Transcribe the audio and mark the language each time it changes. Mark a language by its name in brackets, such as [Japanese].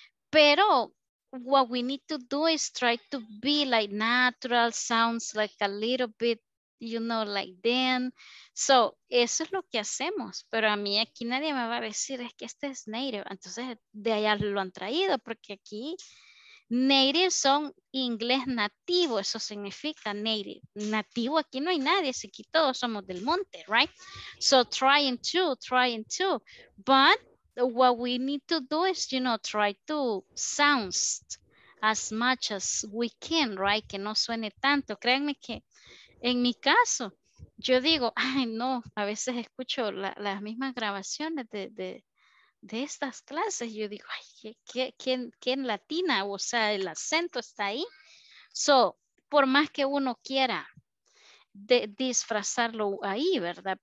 [English] Pero what we need to do is try to be like natural, sounds like a little bit, you know, like them. [Spanish] So, eso es lo que hacemos, pero a mí aquí nadie me va a decir, es que este es native, entonces de allá lo han traído, porque aquí Native son inglés nativo, eso significa native. Nativo, aquí no hay nadie, así que todos somos del monte, right? [English] So trying to, but what we need to do is, you know, try to sound as much as we can, right? [Spanish] Que no suene tanto. Créanme que en mi caso, yo digo, ay no, a veces escucho las mismas grabaciones de estas clases. Yo digo, ay, ¿qué en latina? O sea, el acento está ahí. So, por más que uno quiera disfrazarlo ahí, ¿verdad?